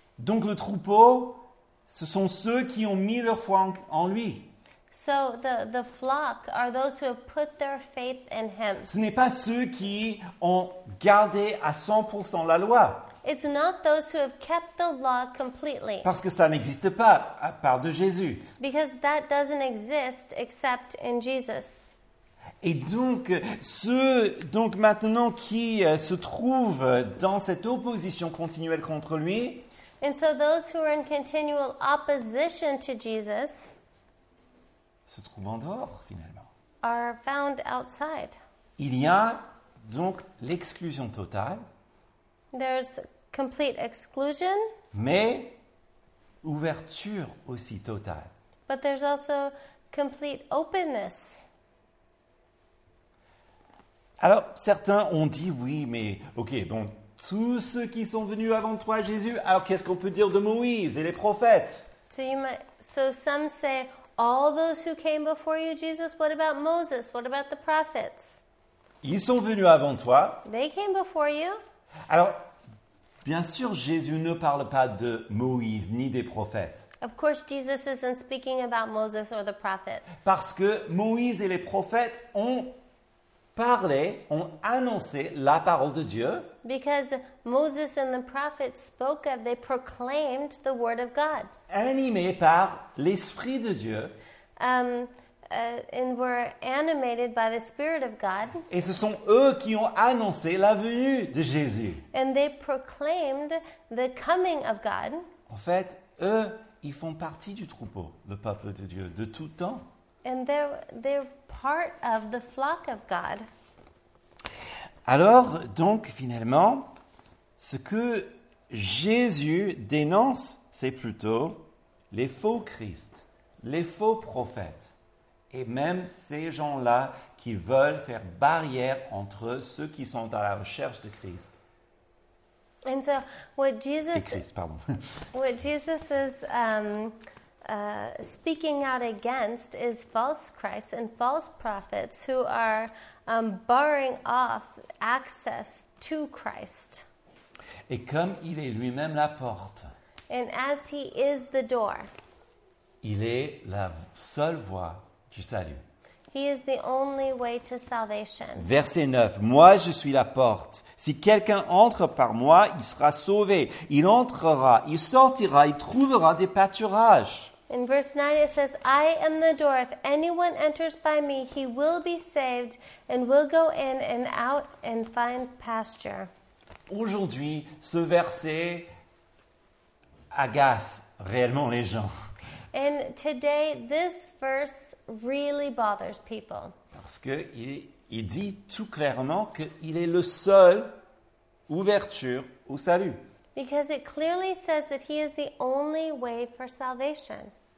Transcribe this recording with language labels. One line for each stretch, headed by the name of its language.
French: Donc le troupeau, ce sont ceux qui ont mis leur foi en lui.
English: So the flock are those who have put their faith in him.
French: Ce n'est pas ceux qui ont gardé à 100% la loi.
English: It's not those who have kept the law completely.
French: Parce que ça n'existe pas à part de Jésus.
English: Because that doesn't exist except in Jesus.
French: Et donc ceux donc maintenant qui se trouvent dans cette opposition continuelle contre lui.
English: And so those who are in continual opposition to Jesus
French: se trouvent en dehors, finalement.
English: Are found outside.
French: Il y a donc l'exclusion totale.
English: There's complete exclusion.
French: Mais ouverture aussi totale.
English: But there's also complete openness.
French: Alors, certains ont dit oui, mais ok, bon. Tous ceux qui sont venus avant toi, Jésus. Alors, qu'est-ce qu'on peut dire de Moïse et les prophètes?
English: So some say, all those who came before you, Jesus, what about Moses? What about the prophets?
French: Ils sont venus avant toi.
English: They came before you.
French: Alors, bien sûr, Jésus ne parle pas de Moïse ni des prophètes.
English: Of course, Jesus isn't speaking about Moses or the prophets.
French: Parce que Moïse et les prophètes ont parlé, ont annoncé la parole de Dieu.
English: Because Moses and the prophets spoke of, they proclaimed the word of God.
French: Animés par l'Esprit de Dieu.
English: And were animated by the Spirit of God.
French: Et ce sont eux qui ont annoncé la venue de Jésus.
English: And they proclaimed the coming of God.
French: En fait, eux, ils font partie du troupeau, le peuple de Dieu, de tout temps.
English: And they're part of the flock of God.
French: Alors, donc, finalement, ce que Jésus dénonce, c'est plutôt les faux Christ, les faux prophètes, et même ces gens-là qui veulent faire barrière entre ceux qui sont à la recherche de Christ.
English: And so what Jesus, Christ, pardon. What Jesus is speaking out against is false Christs and false prophets who are barring off access to Christ.
French: Et comme il est lui-même la porte,
English: and as he is the door,
French: il est la seule voie du salut.
English: He is the only way to salvation.
French: Verset 9. Moi, je suis la porte. Si quelqu'un entre par moi, il sera sauvé. Il entrera, il sortira, il trouvera des pâturages.
English: In verse 9, it says, I am the door. If anyone enters by me, he will be saved and will go in and out and find pasture.
French: Aujourd'hui, ce verset agace réellement les gens.
English: And today, this verse really bothers people.
French: Parce qu'il dit tout clairement qu'il est le seul ouverture au salut.
English: Because it clearly says that he is the only way for salvation.